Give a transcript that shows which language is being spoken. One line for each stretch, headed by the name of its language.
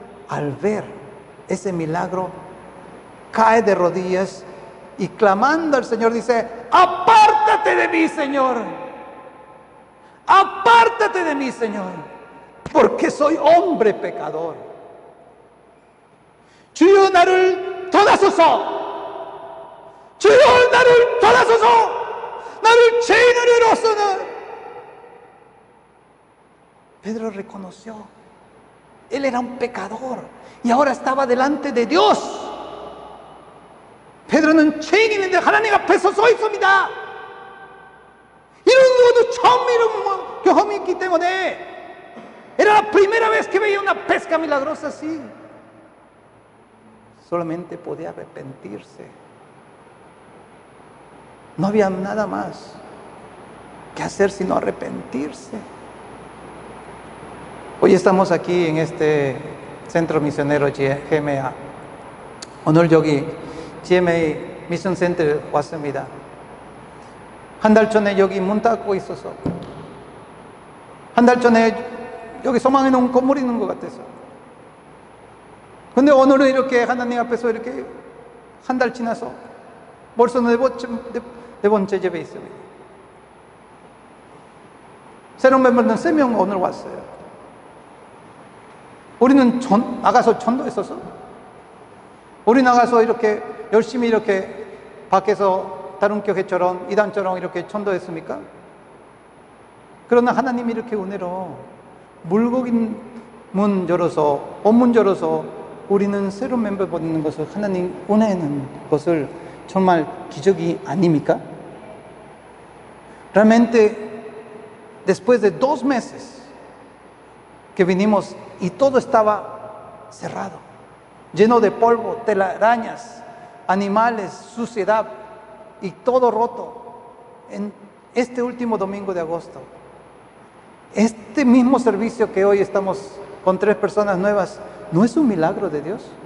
Spanish: Al ver ese milagro, cae de rodillas y clamando al Señor dice: apártate de mí, Señor, apártate de mí, Señor, porque soy hombre pecador.
Korean: 주여 나를 돌아서서, 주여 나를 돌아서서, 나를 죄인으로서는.
Spanish: Pedro reconoció, él era un pecador y ahora estaba delante de Dios. Pedro no era un
Korean: 죄인인데 하나님 앞에서 서 있습니다. 이런 것도 처음 이런 경험이 있기 때문에
Spanish: era la primera vez que veía una pesca milagrosa así. Solamente podía arrepentirse. No había nada más que hacer sino arrepentirse. Hoy estamos aquí en este centro misionero GMA.
Korean: 오늘 여기 GMA Mission Center 왔습니다. 한 달 전에 여기 문 닫고 있어서, 한 달 전에 여기 소망해 놓은 건물이 있는 것 같아서. 근데 오늘은 이렇게 하나님 앞에서 이렇게 한 달 지나서 벌써 네 번째 집에 있습니다. 새로운 멤버는 세 명 오늘 왔어요. 우리는 나가서 전도했어서, 우리 나가서 이렇게 열심히 이렇게 밖에서 다른 교회처럼 이단처럼 이렇게 전도했습니까? 그러나 하나님이 이렇게 은혜로 물고기 문 열어서, 옷문 열어서 우리는 새로운 멤버 보내는 것을, 하나님 은혜는 것을 정말 기적이 아닙니까?
Spanish: Realmente después de dos meses que vinimos y todo estaba cerrado, lleno de polvo, telarañas, animales, suciedad y todo roto, en este último domingo de agosto, este mismo servicio que hoy estamos con tres personas nuevas, ¿no es un milagro de Dios?